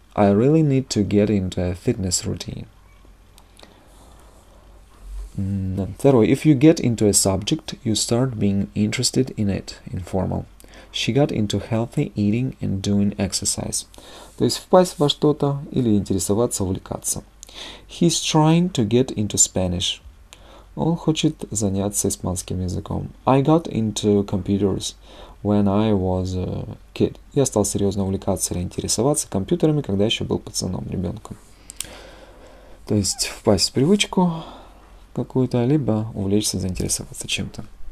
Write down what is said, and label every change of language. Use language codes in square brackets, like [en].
[en] I really need to get into a fitness routine. [ru] Второе. [en] If you get into a subject, you start being interested in it. Informal. She got into healthy eating and doing exercise. [ru] То есть впасть во что-то или интересоваться, увлекаться. [en] He's trying to get into Spanish. [ru] Он хочет заняться испанским языком. [en] I got into computers when I was a kid. [ru] Я стал серьезно увлекаться или интересоваться компьютерами, когда еще был пацаном, ребенком. То есть впасть в привычку какую-то, либо увлечься, заинтересоваться чем-то.